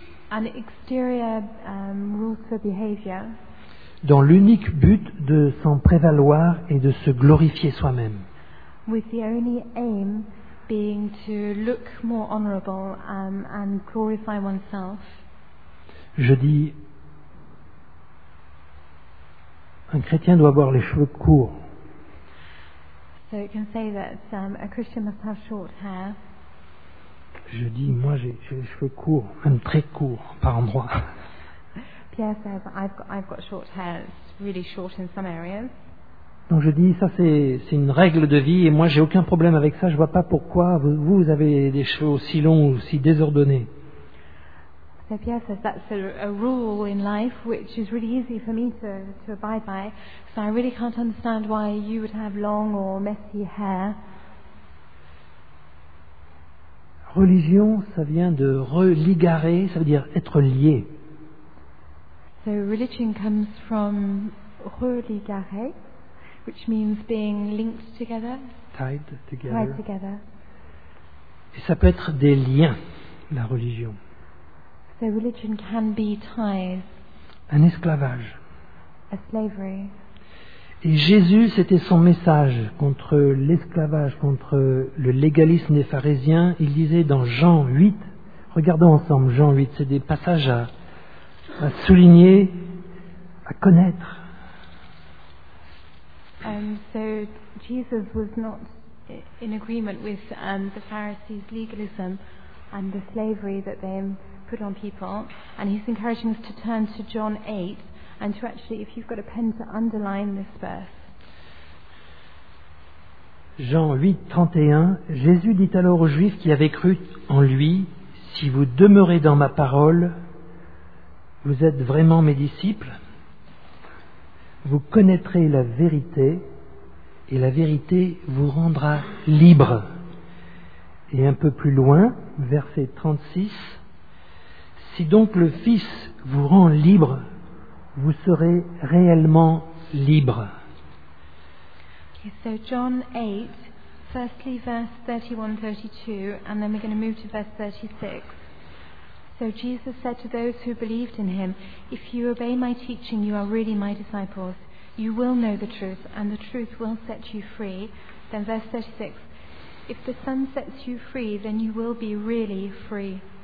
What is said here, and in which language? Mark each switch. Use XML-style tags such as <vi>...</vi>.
<en>an exterior, rule for behavior,</en> <fr>dans l'unique but de s'en prévaloir et de se glorifier soi-même.</fr> <en>With the only aim being to look more honorable, and glorify oneself.</en> <fr>Je dis... Un chrétien doit avoir les cheveux courts.</fr> <en>So it can say that a Christian must have short hair.</en> <fr>Je dis, moi, j'ai les cheveux courts, même très courts, par endroits.</fr> <en>Pierre says, I've got short hair, it's really short in some areas.</en> <fr>Donc je dis, ça c'est une règle de vie et moi j'ai aucun problème avec ça. Je vois pas pourquoi vous avez des cheveux aussi longs ou aussi désordonnés.</fr> <en>So Pierre says that's a rule in life which is really easy for me to abide by, so I really can't understand why you would have long or messy hair.</en> <fr>Religion, ça vient de religare, ça veut dire être lié.</fr> <en>So religion comes from religare, which means being linked together. Tied together. Tied together.</en> <fr>Et ça peut être des liens, la religion.</fr> <en>So religion can be tied.</en> <fr>Un esclavage.</fr> <en>A slavery.</en> <fr>Et Jésus, c'était son message contre l'esclavage, contre le légalisme des pharisiens. Il disait dans Jean 8, regardons ensemble Jean 8, c'est des passages à souligner, à connaître.</fr> <en>So Jesus was not in agreement with the Pharisees' legalism and the slavery that they put on people, and he's encouraging us to turn to John 8 and to actually, if you've got a pen, to underline this verse.</en> <fr>Jean 8:31. Jésus dit alors aux Juifs qui avaient cru en lui, si vous demeurez dans ma parole, vous êtes vraiment mes disciples, vous connaîtrez la vérité et la vérité vous rendra libre. Et un peu plus loin, verset 36, si donc le Fils vous rend libre, vous serez réellement libre.</fr> <en>Okay, so John 8, firstly verse 31-32, and then we're going to move to verse 36. So Jesus said to those who believed in him, "If you obey my teaching, you are really my disciples. You will know the truth, and the truth will set you free." Then verse 36, "If the Son sets you free, then you will be really free."</en>